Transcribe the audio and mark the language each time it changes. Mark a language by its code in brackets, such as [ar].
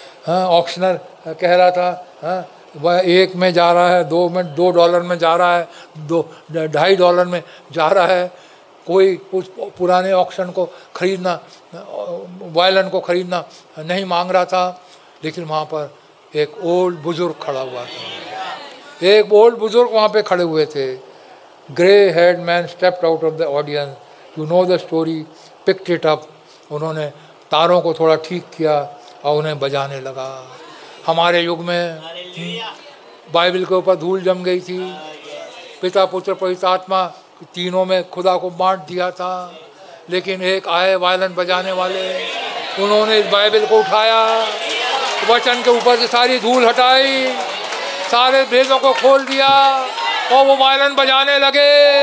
[hi] Auctioneer कह रहा था वह एक में जा रहा है, दो में, दो डॉलर में जा रहा है, दो ढाई डॉलर में जा रहा है. कोई उस पुराने ऑक्शन को खरीदना, वायलिन को खरीदना नहीं मांग रहा था. लेकिन वहाँ पर एक ओल्ड बुजुर्ग खड़ा हुआ था, एक ओल्ड बुजुर्ग वहाँ पर खड़े हुए थे. [en] Grey haired man stepped out of the audience. You know the story. Picked it up. [hi] उन्होंने तारों को थोड़ा ठीक किया और उन्हें बजाने लगा. हमारे युग में बाइबल के ऊपर धूल जम गई थी. पिता पुत्र पवित्र आत्मा तीनों में खुदा को बांट दिया था. लेकिन एक आए वायलन बजाने वाले, उन्होंने इस बाइबल को उठाया, वचन के ऊपर से सारी धूल हटाई, सारे भेदों को खोल दिया और वो वायलन बजाने लगे.